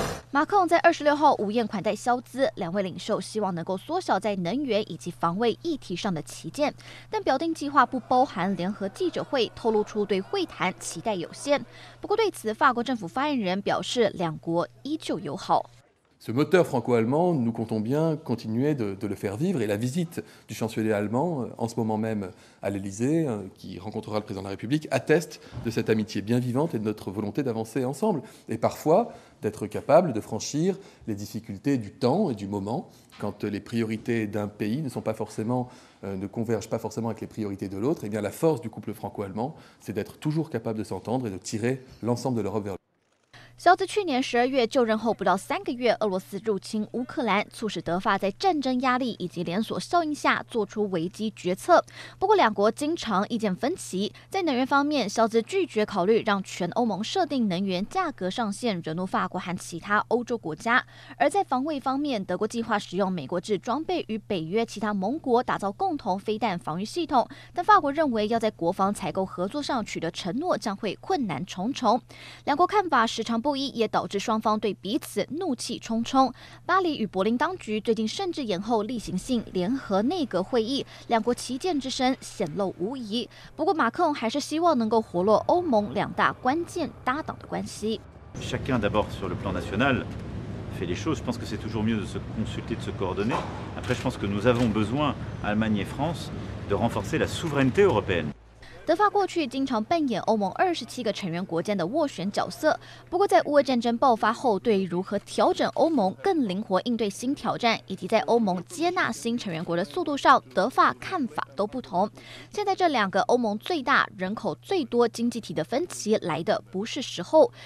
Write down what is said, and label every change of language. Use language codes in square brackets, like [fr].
[zh] 马克龙在26号午宴款待肖兹，两位领袖希望能够缩小在能源以及防卫议题上的旗舰，但表定计划不包含联合记者会，透露出对会谈期待有限。不过对此，法国政府发言人表示，两国依旧友好。 [fr] Ce moteur franco-allemand, nous comptons bien continuer de le faire vivre. Et la visite du chancelier allemand, en ce moment même à l'Elysée, qui rencontrera le président de la République, atteste de cette amitié bien vivante et de notre volonté d'avancer ensemble. Et parfois, d'être capable de franchir les difficultés du temps et du moment, quand les priorités d'un pays ne convergent pas forcément avec les priorités de l'autre. Et bien la force du couple franco-allemand, c'est d'être toujours capable de s'entendre et de tirer l'ensemble de l'Europe vers l'autre. [zh] 肖兹去年12月就任后不到3个月，俄罗斯入侵乌克兰，促使德法在战争压力以及连锁效应下做出危机决策。不过，两国经常意见分歧。在能源方面，肖兹拒绝考虑让全欧盟设定能源价格上限，惹怒法国和其他欧洲国家。而在防卫方面，德国计划使用美国制装备与北约其他盟国打造共同飞弹防御系统，但法国认为要在国防采购合作上取得承诺将会困难重重。两国看法时常不一，也导致双方对彼此怒气冲冲。巴黎与柏林当局最近甚至延后例行性联合内阁会议，两国旗舰之身显露无疑。不过马克龙还是希望能够活络欧盟两大关键搭档的关系。 [fr] Chacun d'abord sur le plan national fait les choses. Je pense que c'est toujours mieux de se consulter, de se coordonner. Après, je pense que nous avons besoin, Allemagne et France, de renforcer la souveraineté européenne. [zh] 德法过去经常扮演欧盟27个成员国间的斡旋角色，不过在乌俄战争爆发后，对于如何调整欧盟更灵活应对新挑战，以及在欧盟接纳新成员国的速度上，德法看法都不同。现在这两个欧盟最大、人口最多经济体的分歧来的不是时候。